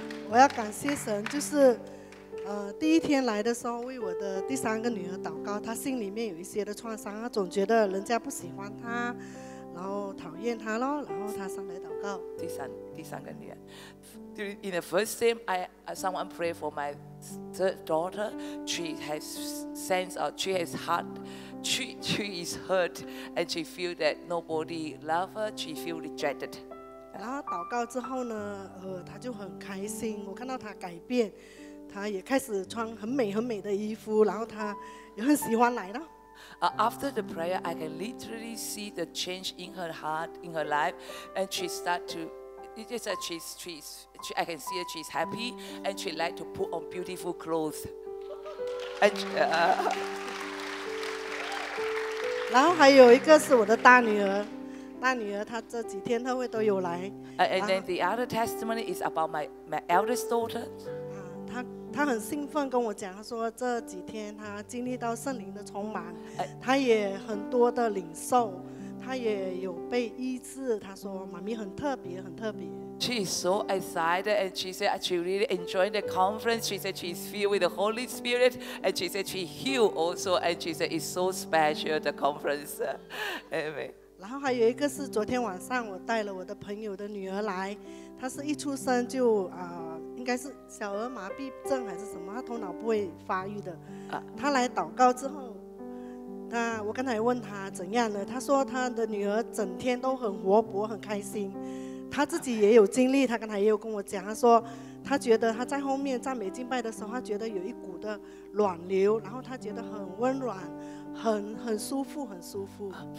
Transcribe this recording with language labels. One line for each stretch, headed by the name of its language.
Chinese: 我要感谢神，就是第一天来的时候为我的第三个女儿祷告，她心里面有一些的创伤，她总觉得人家不喜欢她，然后讨厌她咯，然后她上来祷告。第三个女儿。
English: In the first time, someone prayed for my third daughter. She has sense of, she has heart. She is hurt, and she feels that nobody loves her. She feels rejected.
Chinese: 然后祷告之后呢，她就很开心。我看到她改变，她也开始穿很美很美的衣服，然后她也很喜欢来了。
English: After the prayer, I can literally see the change in her heart, in her life, and she start to. It is that she's, I can see that she's happy and she likes to put on beautiful clothes. And,
Chinese: 然后还有一个是我的大女儿，大女儿她这几天她会都有来。
English: And then the other testimony is about my eldest daughter.
Chinese: 她很兴奋跟我讲，她说这几天她经历到圣灵的充满，她也很多的领受。她也有被医治，她说妈咪很特别很特别。
English: She is so excited and she said she really enjoyed the conference. She said she's filled with the Holy Spirit and she said she healed also and she said it's so special the conference. Amen.
Chinese: 然后还有一个是昨天晚上我带了我的朋友的女儿来，她是一出生就应该是小儿麻痹症还是什么，她头脑不会发育的。她来祷告之后，我刚才问他怎样呢，他说他的女儿整天都很活泼很开心，他自己也有经历，他刚才也有跟我讲，他说他觉得他在后面赞美敬拜的时候，他觉得有一股的暖流，然后他觉得很温暖，很舒服很舒服。